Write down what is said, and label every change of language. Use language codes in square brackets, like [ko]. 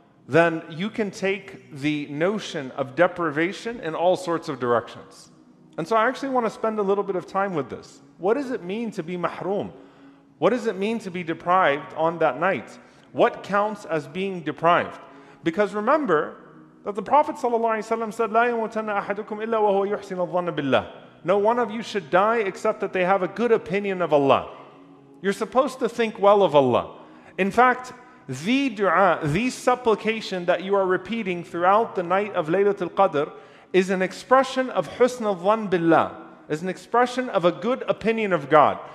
[en] then you can take the notion of deprivation in all sorts of directions. And so I actually want to spend a little bit of time with this. What does it mean to be mahroom? What does it mean to be deprived on that night? What counts as being deprived? Because remember that the Prophet ﷺ said, [ar] لَا يَمُوتَنَّ أَحَدُكُمْ إِلَّا وَهُوَ يُحْسِنَ الظَّنَّ بِاللَّهِ. [en] No one of you should die except that they have a good opinion of Allah. You're supposed to think well of Allah. In fact, the dua, the supplication that you are repeating throughout the night of Laylatul Qadr is an expression of husn al-dhan billah, is an expression of a good opinion of God.